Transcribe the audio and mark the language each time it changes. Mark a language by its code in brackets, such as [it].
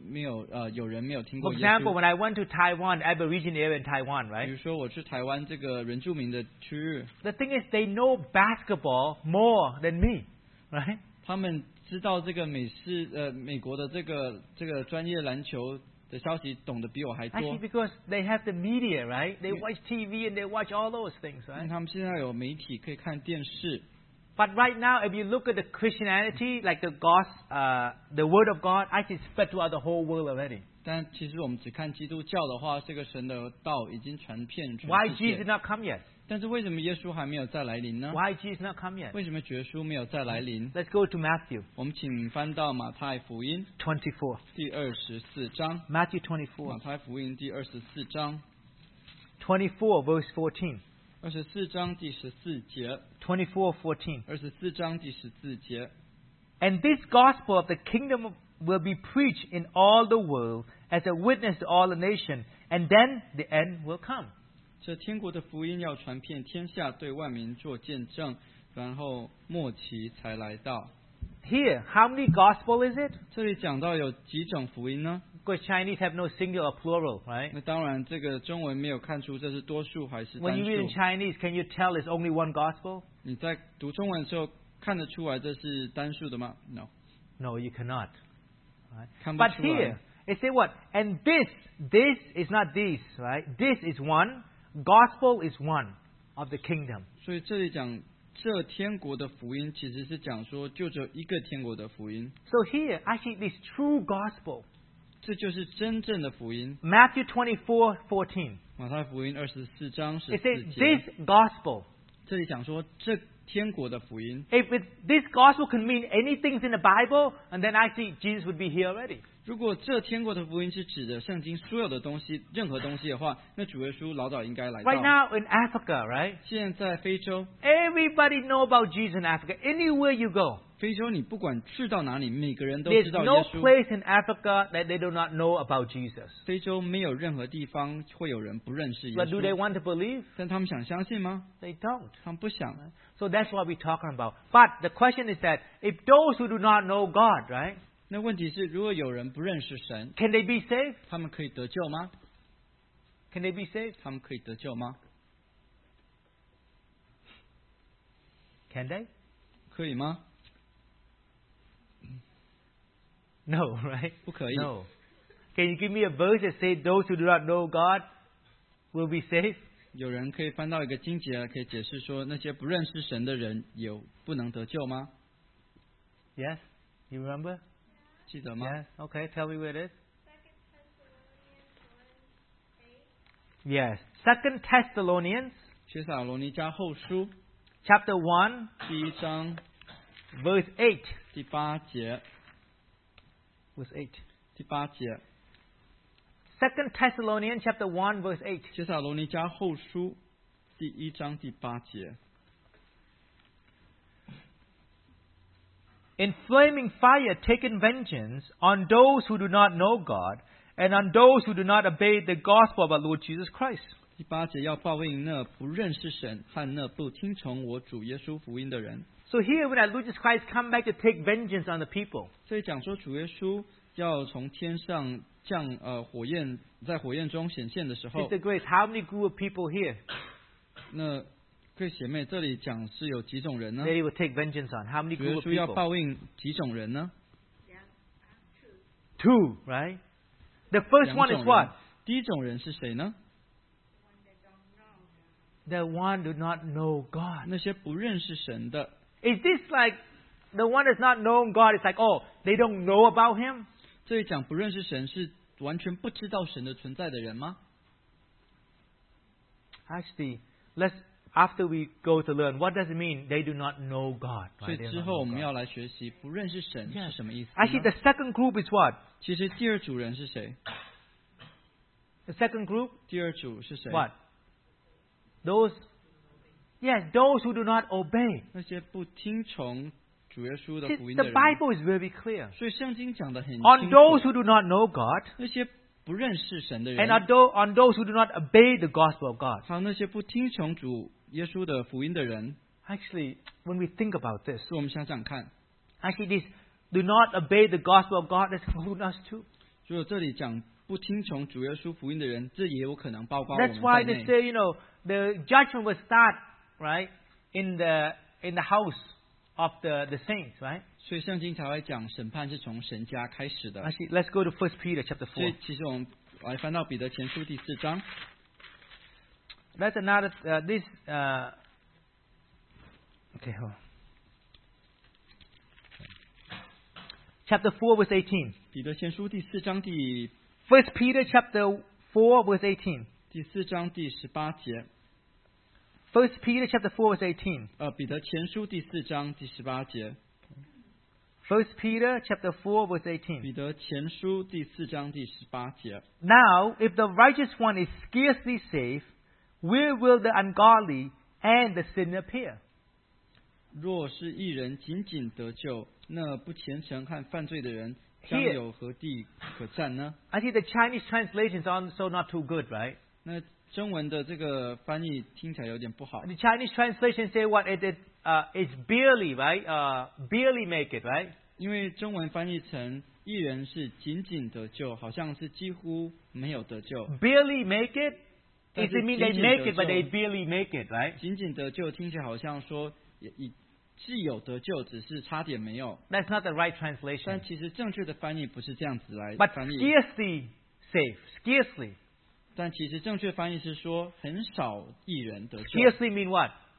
[zh] 其实对我来说，我不相信世界上有任何地方没有人没有听过耶稣。 [en] For example, when I went to Taiwan, Aboriginal area in Taiwan, right? [zh] 比如说我去台湾这个原住民的区域。 [en] The thing is, they know basketball more than me, right? [zh] 他们知道这个美式美国的这个专业篮球。的消息懂得比我还多。 [en] Actually, because they have the media, right? They watch TV and they watch all those things, right? [zh] 因为他们现在有媒体可以看电视。 [en] But right now, if you look at the Christianity, like the gospel, the word of God, actually spread throughout the whole world already. [zh] 但其实我们只看基督教的话，这个神的道已经传遍全世 [en] 界。Why Jesus not come yet? [zh] 但是为什么耶稣还没有再来临呢 [en] ？Why Jesus not come yet? [zh] 为什么主耶稣没有再来临 [en] ？Let's go to Matthew. [zh] 我们请翻到马太福音 [en] 24, [zh] 第二十四章。 [en] Matthew 24. [zh] 马太福音第二十四章。 [en] 24:14。 [zh] 二十四章第十四节。 [en] 24:14。 [zh] 二十四章第十四节。 [en] And this gospel of the kingdom will be preached in all the world as a witness to all the nations, and then the end will come. [zh] 这天国的福音要传遍天下，对万民做见证，然后末期才来到。 [en] Here, how many gospel is it? [zh] 这里讲到有几种福音呢？ [en] Because Chinese have no single or plural, right? [zh] 那当然，这个中文没有看出这是多数还是单数。 [en] When you read in Chinese, can you tell it's only one gospel? [zh] 你在读中文的时候看得出来这是单数的吗 ？ [en] No. No, you cannot. But here, it says what? And this is not this, right? This is one. Gospel is one of the kingdom. [zh] 所以这里讲这天国的福音，其实是讲说就只有一个天国的福音。 [en] So here, actually, this true gospel. [zh] 这就是真正的福音。 [en] Matthew 24:14. [zh] 马太福音二十四章十四节。 [en] It says this gospel. [zh] 这里讲说这。天国的福音。 [en] If this gospel can mean anything in the Bible, and then actually Jesus would be here already. [zh] 如果这天国的福音是指的圣经所有的东西，任何东西的话，那主耶稣老早应该来到。 [en] Right now in Africa, right? [zh] 现在非洲。 [en] Everybody know about Jesus in Africa. Anywhere you go. [zh] 非洲你不管去到哪里，每个人都知道耶稣。 [en] There's no place in Africa that they do not know about Jesus. [zh] 非洲没有任何地方会有人不认识耶稣。 [en] But do they want to believe? [zh] 但他们想相信吗 [en] ？They don't. [zh] 他们不想。 [en] So that's what we're talking about. But the question is that if those who do not know God, right? [zh] 那问题是，如果有人不认识神 [en] ，Can they be saved? [zh] 他们可以得救吗 [en] ？Can they be saved? [zh] 他们可以得救吗 [en] ？Can they? [zh] 可以吗 [en] ？No, right? [zh] 不可以。 [en] No. Can you give me a verse that says those who do not know God will be saved? [zh] 有人可以翻到一个经节，可以解释说那些不认识神的人有不能得救吗 [en] ？Yes, you remember? [zh] 记得吗 [en] ？Yes, okay. Tell me where it is. Yes, Second Thessalonians. [zh] 帖撒罗尼迦后书 [en] ，Chapter 1, [zh] 第一章 [en] ，Verse 8, [zh] 第八节 [en] ，Verse 8, [zh] 第八节。 [en] Second Thessalonians chapter 1 verse 8. [zh] 帖撒罗尼迦后书第一章第八节。 [en] In flaming fire taking vengeance on those who do not know God and on those who do not obey the gospel of our Lord Jesus Christ. [zh] 第八节要报应那不认识神和那不听从我主耶稣福音的人。 [en] So here when our Lord Jesus Christ come back to take vengeance on the people. [zh] 这里讲说主耶稣要从天上像火焰在火焰中显现的时候 [en] Sister Grace, how many group of people here? [zh] 那各位姐妹这里讲是有几种人呢 [en] They will take vengeance on how many group of people? [zh] 主耶稣要报应几种人呢 [en] Two, right? The first one is what? [zh] 第一种人是谁呢 [en] The one do not know God [zh] 那些不认识神的 [en] Is this like the one that's not known God? It's like, oh, they don't know about him? [zh] 这里讲不认识神是完全不知道神的存在的人吗 [en] ？Actually, let's after we go to learn what does it mean they do not know God. [zh] 所以之后我们要来学习不认识神是什么意思 [en] yeah, ？Actually, the second group is what? [zh] 其实第二组人是谁 [en] ？The second group. [zh] 第二组是谁 [en] ？What? Those. Yes, those who do not obey. [zh] 那些不听从。主耶稣的福音的人 [en] The Bible is very clear. [zh] 所以圣经讲得很清楚。 [en] On those who do not know God, [zh] 那些不认识神的人 [en] ，and on those who do not obey the gospel of God, [zh] 还有那些不听从主耶稣的福音的人。 [en] Actually, when we think about this, [zh] 我们想想看。 [en] Actually, this do not obey the gospel of God that includes us too. [zh] 所以这里讲不听从主耶稣福音的人，这也有可能包括我们 [en] 在内。That's why they say, you know, the judgment will start right in the house. Of the saints, right? [zh] 所以圣经才会讲审判是从神家开始的。 [en] Actually, let's go to 1 Peter chapter 4. [zh] 所以其实我们来翻到彼得前书第四章。 [en] That's another this. Okay, hold on. Chapter 4 verse 18. [zh] 彼得前书第四章第 [en] First Peter chapter 4 verse 18. [zh] 第四章第十八节。 [en] First Peter chapter 4 verse 18. [zh] 彼得前书第四章第十八节。 [en] First Peter chapter 4 verse 18. [zh] 彼得前书第四章第十八节。 [en] Now, if the righteous one is scarcely saved, where will the ungodly and the sinner appear? [zh] 若是一人仅仅得救，那不虔诚和犯罪的人将有何地可站呢？ [en] I think the Chinese translation is also not too good, right? [zh] 那中文的这个翻译听起来有点不好。 [en] The Chinese translation say what it is, it's barely, right? Barely make it, right? [zh] 因为中文翻译成一人是仅仅得救，好像是几乎没有得救。 [en] Barely make it? Does it mean they make it, but they barely make it, right? [zh] 仅仅得救听起来好像说既有得救，只是差点没有。 [en] That's not the right translation. [zh] 但其实正确的翻译不是这样子来翻译。 [en] But scarcely safe, scarcely. [zh] 但其实正确翻译是说很少一人得救。 [en] Scarcely mean what?